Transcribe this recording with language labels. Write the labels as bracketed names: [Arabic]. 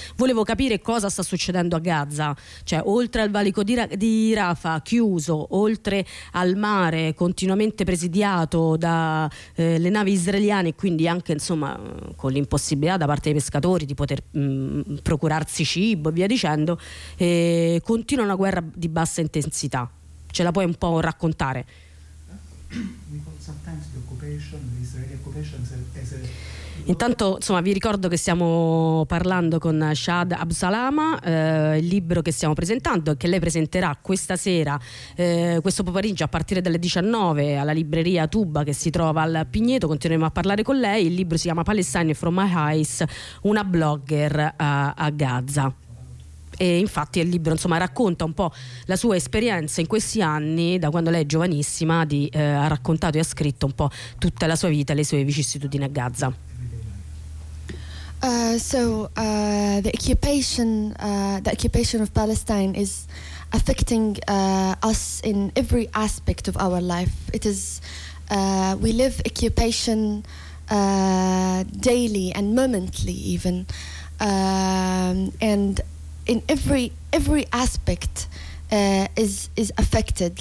[Italian] Volevo capire cosa sta succedendo a Gaza, cioè oltre al valico di Rafa chiuso, oltre al mare continuamente presidiato dalle navi israeliane, quindi anche, insomma, con l'impossibilità da parte dei pescatori di poter procurarsi cibo e via dicendo, continua una guerra di bassa intensità. Ce la puoi un po' raccontare? [English] Sometimes the occupation, the Israeli occupation is a... [Italian] Intanto, insomma, vi ricordo che stiamo parlando con Shad Absalama, il libro che stiamo presentando e che lei presenterà questa sera, questo pomeriggio a partire dalle 19 alla libreria Tuba che si trova al Pigneto. Continueremo a parlare con lei. Il libro si chiama Palestine from my eyes, una blogger a Gaza. E infatti il libro, insomma, racconta un po' la sua esperienza in questi anni, da quando lei è giovanissima, ha raccontato e ha scritto un po' tutta la sua vita, le sue vicissitudini a Gaza. [English] The occupation of Palestine is affecting us in every aspect of our life. It is we live occupation daily and momently even, and in every aspect is affected.